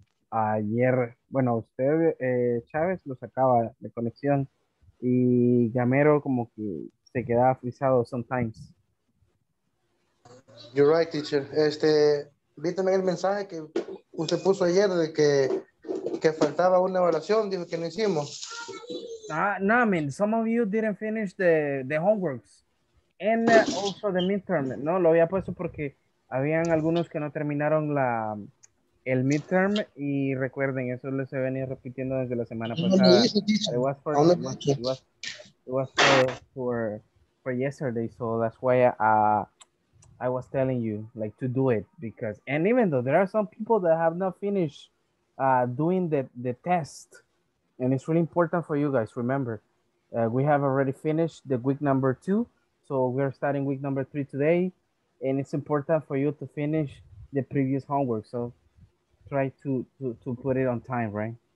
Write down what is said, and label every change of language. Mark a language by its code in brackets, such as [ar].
[es] Ayer, bueno, usted, Chávez, lo sacaba de conexión y Gamero como que se quedaba frisado [en] sometimes. You're right, teacher. [es] Viste el mensaje que usted puso ayer de que faltaba una evaluación, dijo que no hicimos. [en] No, I mean, some of you didn't finish the homeworks and also the midterm. [es] No, lo había puesto porque habían algunos que no terminaron el midterm, y recuerden, eso les he venido repitiendo desde la semana pasada. [en] It was for yesterday, so that's why I was telling you, like, to do it, because, and even though there are some people that have not finished doing the test, and it's really important for you guys, remember, we have already finished the week number two, so we're starting week number three today, and it's important for you to finish the previous homework, so try to put it on time, right?